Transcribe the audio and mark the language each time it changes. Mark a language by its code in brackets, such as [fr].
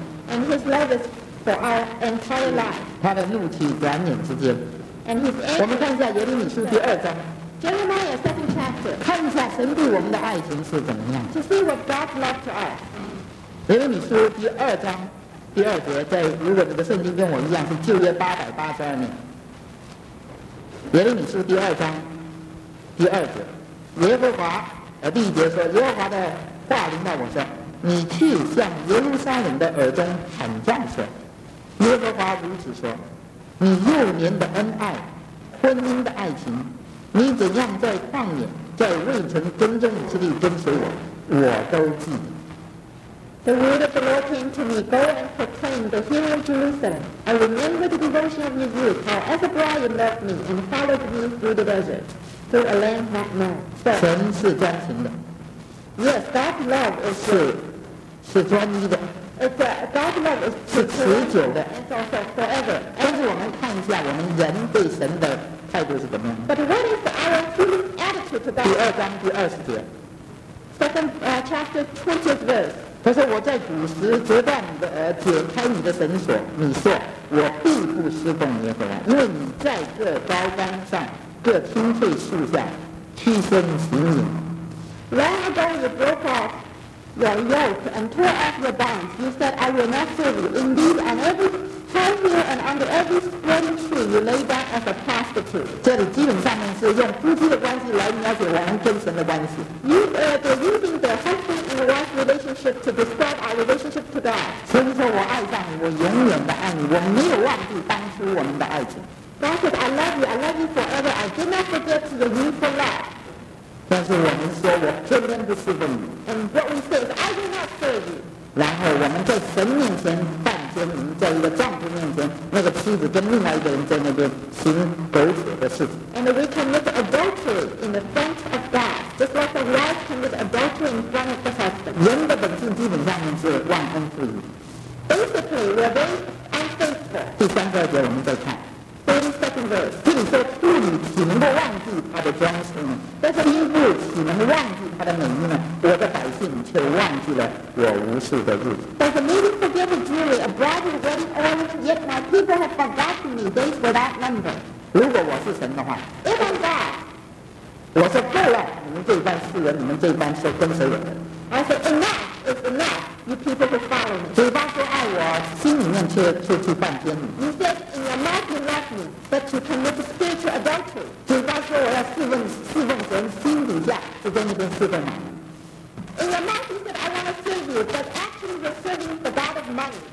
[en] And his love is for our entire life [zh] 他的怒气转眼之间 [en] And his anger [zh] 我们看一下耶利米书第二章 [en] Jeremiah, second chapter. [zh] 看一下神对我们的爱情是怎么样。 [en] To see what God loved to us. [zh] 耶利米书第二章第二节，在如果这个圣经跟我一样是旧约882年，耶利米书第二章第二节，耶和华第一节说，耶和华的话临到我说，你去向耶路撒冷的耳中喊叫说，耶和华如此说，你幼年的恩爱，婚姻的爱情。你怎样在旷野，在未曾耕种之地跟随我，我都记得。 [en] The word of the Lord came to me, go and proclaim the hill of Jerusalem. I remember the devotion of your youth, how as a bride loved me and followed me through the desert, through a land not known. [zh] 神是专情的。 [en] Yes, God's love is [zh] 是专一的。 [en] It's a God's love is [zh] 是持久的。 [en] It's also forever. [zh] 但是我们看一下我们人对神的。态度是怎么样 [en] But what is our feeling attitude to that? [zh] 第二章第二十节 [en] Second chapter 20th verse [zh] 他说我在古时折断的解开你的绳索你说我必不侍奉耶和华因为你在各高山上各青翠树下屈身行淫 [en] Long ago you broke off your yoke and tore off your bonds You said I will not serve you indeed and every hill and under every spreading tree you lay down as a prostitute [zh] 这里基本上面是用夫妻的关系来了解我们跟神的关系 [en] they're using the husband and wife relationship to describe our relationship to God [zh] 神说我爱上你我永远的爱你我没有忘记当初我们的爱情 [en] God says I love you forever I did not forget the youthful love [zh] 但是我们说我天天不侍奉你 [en] and what we say is I do not serve you [zh] 然后我们在神面前在一个丈夫面前那个妻子跟另外一个人在那边行苟且的事情 [en] And we commit adultery in the front of God Just like the wife commit adultery in front of the husband [zh] 人的本性基本上面是忘恩负义 [en] Basically we are very unfaithful [zh] 第三个节我们再看 [en] 32nd verse [zh] 这里说妇女岂能够忘记她的装饰呢但是妻子岂能忘记她的美丽呢我的百姓却忘记了我无数的日子 [en] A bride is wedding ornament, yet my people have forgotten me days without number. [zh] 如果我是神的话 [en] If I'm God, [zh] 我说够了，你们这一班世人，你们这一班是跟随我的。 [en] I say enough is enough, you people who follow me. [zh] 嘴巴说爱我，心里面却犯奸淫。 [en] You say in your mouth you love me, but you commit spiritual adultery. [zh] 嘴巴说我要侍奉神，心底下就在那边侍奉。 [en] In your mouth you said I want to serve you, but actually you're serving the God of money.